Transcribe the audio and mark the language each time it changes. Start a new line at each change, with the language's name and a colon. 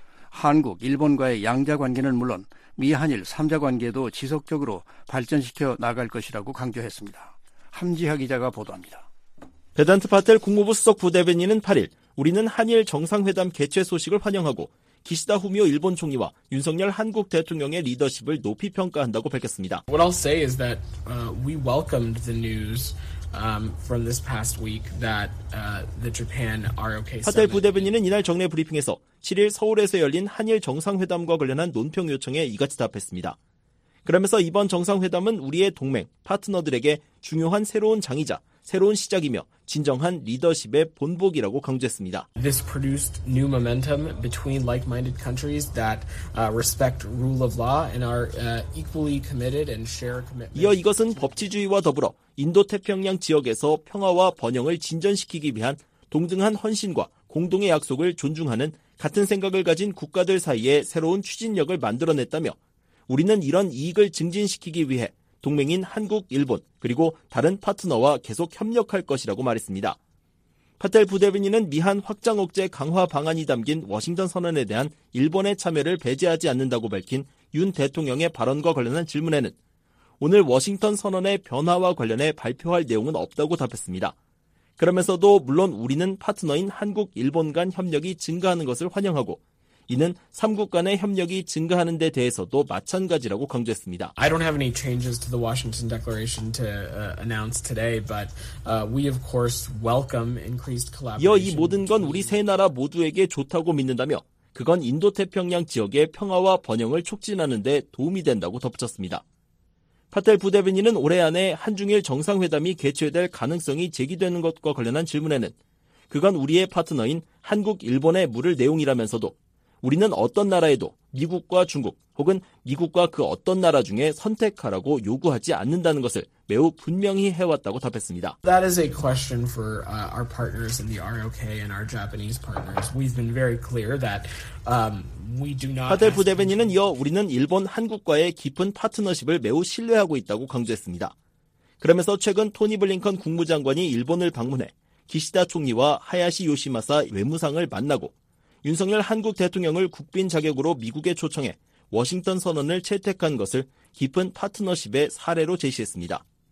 Korean: 한국, 일본과의 양자관계는 물론 미한일 3자관계도 지속적으로 발전시켜 나갈 것이라고 강조했습니다. 함지하 기자가 보도합니다. 베단트 파텔 국무부 수석 부대변인은 8일 우리는 한일 정상회담 개최 소식을 환영하고 기시다 후미오 일본 총리와 윤석열 한국 대통령의 리더십을 높이 평가한다고 밝혔습니다.
English: What I'll say is that we welcomed the news from this past week that the Japan ROK
Korean: 파텔 부대변인은 이날 정례 브리핑에서 7일 서울에서 열린 한일 정상회담과 관련한 논평 요청에 이같이 답했습니다. 그러면서 이번 정상회담은 우리의 동맹, 파트너들에게 중요한 새로운 장이자 새로운 시작이며 진정한 리더십의 본보기라고 강조했습니다.
English: This produced new momentum between like-minded countries that respect rule of law and are equally committed and share commitment.
Korean: 이어 이것은 법치주의와 더불어 인도태평양 지역에서 평화와 번영을 진전시키기 위한 동등한 헌신과 공동의 약속을 존중하는 같은 생각을 가진 국가들 사이에 새로운 추진력을 만들어냈다며 우리는 이런 이익을 증진시키기 위해 동맹인 한국, 일본 그리고 다른 파트너와 계속 협력할 것이라고 말했습니다. 파텔 부대변인은 미한 확장 억제 강화 방안이 담긴 워싱턴 선언에 대한 일본의 참여를 배제하지 않는다고 밝힌 윤 대통령의 발언과 관련한 질문에는 오늘 워싱턴 선언의 변화와 관련해 발표할 내용은 없다고 답했습니다. 그러면서도 물론 우리는 파트너인 한국, 일본 간 협력이 증가하는 것을 환영하고 이는 3국 간의 협력이 증가하는 데 대해서도 마찬가지라고 강조했습니다.
English: I don't have any changes to the Washington Declaration to announce today, but we of course welcome increased collaboration.
Korean: 이 모든 건 우리 세 나라 모두에게 좋다고 믿는다며 그건 인도태평양 지역의 평화와 번영을 촉진하는 데 도움이 된다고 덧붙였습니다. 파텔 부대변인은 올해 안에 한중일 정상회담이 개최될 가능성이 제기되는 것과 관련한 질문에는 그건 우리의 파트너인 한국, 일본의 물을 내용이라면서도 우리는 어떤 나라에도 미국과 중국 혹은 미국과 그 어떤 나라 중에 선택하라고 요구하지 않는다는 것을 매우 분명히 해왔다고 답했습니다.
English: That is a question for our partners in the ROK and our Japanese partners. We've been very clear that we do not.
Korean: 파텔 부대변인은 이어 우리는 일본, 한국과의 깊은 파트너십을 매우 신뢰하고 있다고 강조했습니다. 그러면서 최근 토니 블링컨 국무장관이 일본을 방문해 기시다 총리와 하야시 요시마사 외무상을 만나고 윤석열 한국 대통령을 국빈 자격으로 미국에 초청해 워싱턴 선언을 채택한 것을 깊은 파트너십의 사례로 제시했습니다.